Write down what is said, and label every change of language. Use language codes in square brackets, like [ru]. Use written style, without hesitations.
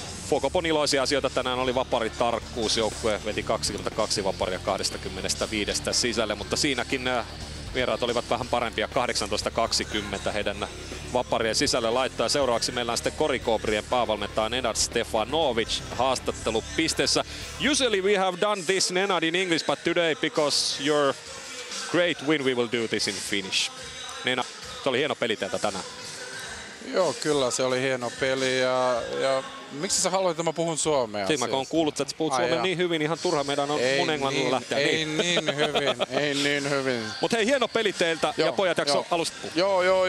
[fi] Fokopon iloisia asioita tänään oli vaparitarkkuus. Joukkue veti 22 vaparia 25 sisälle, mutta siinäkin vieraat olivat vähän parempia, 18-20 heidän vaparien sisälle laittaa. Seuraavaksi meillä on sitten Korikobrien päävalmentaja Nenad Stefanovic haastattelupisteessä. [en] Usually we have done this, Nenad, in English, but today because your great win we will do this in Finnish. [fi] Nenad, se oli hieno peli teiltä tänään. Joo, kyllä se oli hieno peli ja miksi sä haluat, että mä puhun suomea? Siinä kun on kuullut, että sä puhut suomea niin hyvin, ihan turha meidän on mun englannin lähteä. Ei niin hyvin. Mut hei, hieno peli teiltä, joo, ja pojat, jakso alusta puhua.